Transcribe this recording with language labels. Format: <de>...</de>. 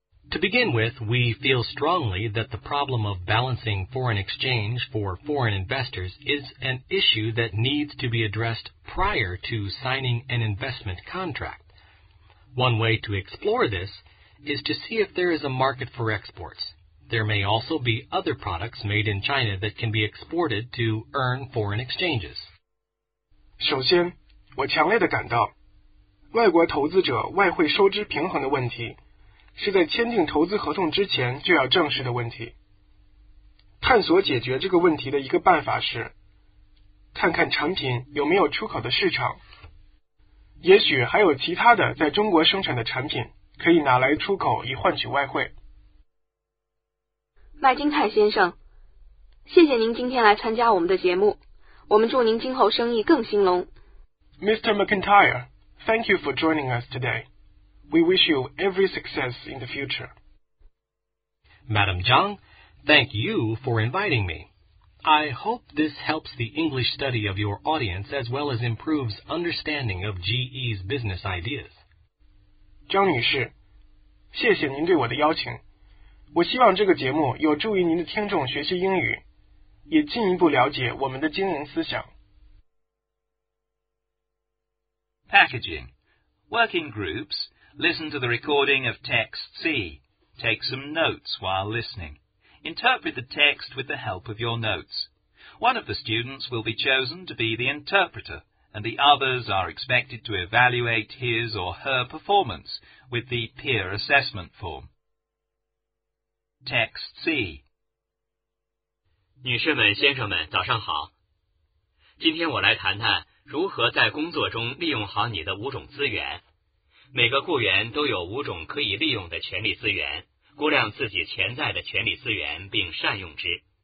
<en>To begin with, we feel strongly that the problem of balancing foreign exchange for foreign investors is an issue that needs to be addressed prior to signing an investment contract. One way to explore this is to see if there is a market for exports. There may also be other products made in China that can be exported to earn foreign exchanges.</en> <zh>首先我强烈地感到，外国投资者外汇收支平衡的问题，是在签订投资合同之前就要正视的问题。探索解决这个问题的一个办法是，看看产品有没有出口的市场，也许还有其他的在中国生产的产品可以拿来出口以换取外汇。麦金泰先生，谢谢您今天来参加我们的节目，我们祝您今后生意更兴隆。</zh> <en>Mr. McIntyre, thank you for joining us today. We wish you every success in the future. Madam Zhang, thank you for inviting me. I hope this helps the English study of your audience as well as improves understanding of GE's business ideas.</en> <zh>张女士，谢谢您对我的邀请。我希望这个节目有助于您的听众学习英语，也进一步了解我们的经营思想。</zh> <en>Packaging. Working groups, listen to the recording of text C. Take some notes while listening. Interpret the text with the help of your notes. One of the students will be chosen to be the interpreter, and the others are expected to evaluate his or her performance with the peer assessment form. Text C.</en> <zh>女士们、先生们，早上好。今天我来谈谈如何在工作中利用好你的五种资源。每个雇员都有五种可以利用的权利资源，估量自己潜在的权利资源并善用之。</zh>